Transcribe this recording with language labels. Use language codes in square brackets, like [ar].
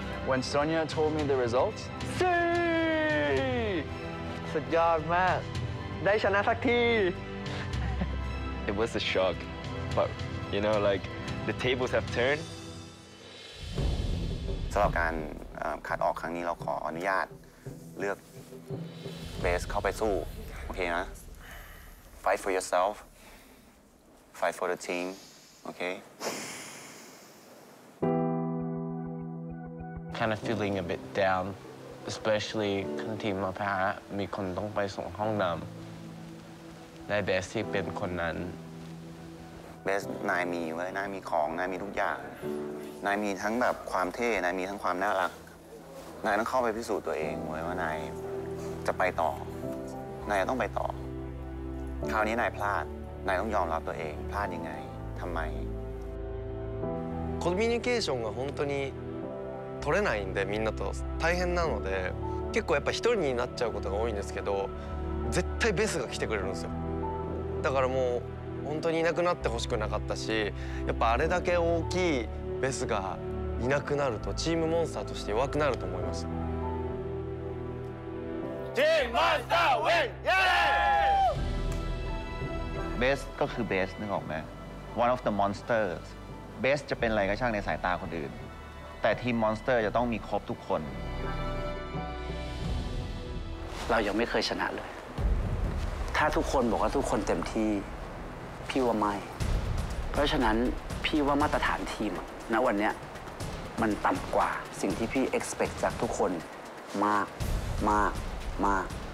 [en] When Sonia told me the results, see! [th] สุดยอดมากได้ชนะสักที [en] It was a shock, but you know, like, the tables have turned. [th] สำหรับการขาดออกครั้งนี้เราขออนุญาตเลือกเบสเข้าไปสู้โอเคนะ [en] fight for yourself fight for the team [th] โอเค [en] kind of feeling a bit down especially [th] คันทีมมาแพ้มีคนต้องไปส่งห้องน้ำในเบสที่เป็นคนนั้น เบสนายมีเว้ยนายมีของนายมีทุกอย่างนายมีทั้งแบบความเท่นายมีทั้งความน่ารักนายต้องเข้าไปพิสูจน์ตัวเองว่านายจะไปต่อนายจะต้องไปต่อคราวนี้นายพลาดนายต้องยอมรับตัวเองพลาดยังไงทำไม [ja] コミュニケーションが本当に取れないんでみんなと大変なので結構やっぱ一人になっちゃうことが多いんですけど絶対ベースが来てくれるんですよだからもう本当にいなくなってほしくなかったしやっぱあれだけ大きいベースがいなくなるとチームモンスターとして弱くなると思います。チームモンスターウィン、イエーイ！ [th] ベースก็คือเบสนึกออกไหม [en] One of the monsters [th] เบสจะเป็นอะไรก็ช่างในสายตาคนอื่นแต่ทีมมอนสเตอร์จะต้องมีครบทุกคน เรายังไม่เคยชนะเลยถ้าทุกคนบอกว่าทุกคนเต็มที่พี่ว่าไม่เพราะฉะนั้นพี่ว่ามาตรฐานทีมณวันเนี้ยมันต่ำกว่าสิ่งที่พี่ [en] expect [th] จากทุกคนมากมากมาก